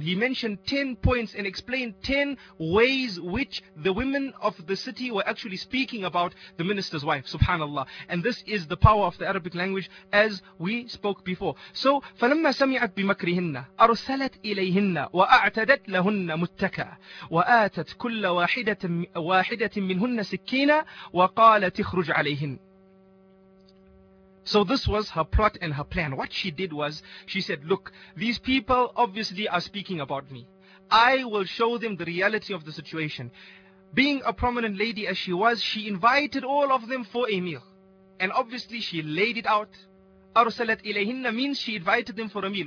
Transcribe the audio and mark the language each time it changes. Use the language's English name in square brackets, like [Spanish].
[English] He mentioned 10 points and explained 10 ways which the women of the city were actually speaking about the minister's wife, subhanallah. And this is the power of the Arabic language, as we spoke before. [Arabic] So فلما سمعت بمكرهن أرسلت إليهن وأعتدت لهن متكا وآتت كل واحدة منهن سكينا وقالت اخرج عليهن. [English] So this was her plot and her plan. What she did was, she said, look, these people obviously are speaking about me. I will show them the reality of the situation. Being a prominent lady as she was, she invited all of them for a meal. And obviously she laid it out. [Arabic] أرسلت إليهن [English] means she invited them for a meal.